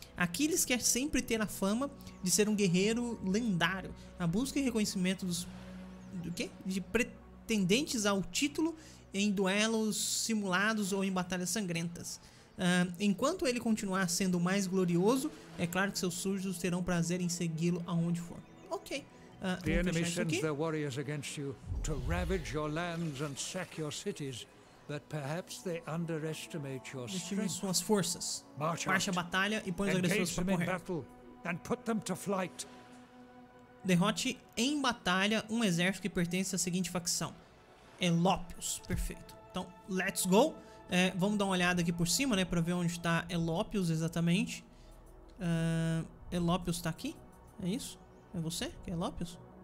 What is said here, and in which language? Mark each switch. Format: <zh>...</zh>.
<pt>Aquiles quer sempre ter a fama de ser um guerreiro lendário. A busca e reconhecimento de pretendentes ao título em duelos simulados ou em batalhas sangrentas. Enquanto ele continuar sendo mais glorioso, é claro que seus súditos terão prazer em segui-lo aonde for. Ok.</pt> <en>The enemy sends their warriors against you to ravage your lands and sack your cities, but perhaps they underestimate your strength.</en> <pt>Suas forças. Marcha a batalha e põe os agressores para correr.</pt> <en>Battle and put them to flight.</en> <pt>Derrote em batalha um exército que pertence à seguinte facção: Elopius. Perfeito. Então,</pt> <en>let's go.</en> <pt>Vamos dar uma olhada aqui por cima, né, para ver onde está Elopius exatamente. Elopius está aqui? É isso? É você que é Elopius?</pt>